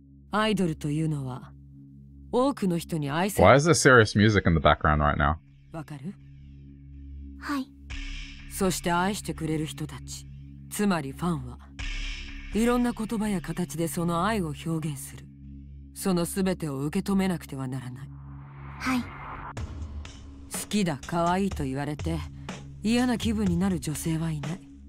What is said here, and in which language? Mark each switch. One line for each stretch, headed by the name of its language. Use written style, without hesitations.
Japanese: アイドルというのは、多くの人に愛され。
English: Why is there serious music in the background right now?
Japanese: わかる？はい。そして愛してくれる人たち、つまりファンは、いろんな言葉や形でその愛を表現する。そのすべてを受け止めなくてはならない。はい。好きだ、可愛いと言われて、嫌な気分になる女性はいない。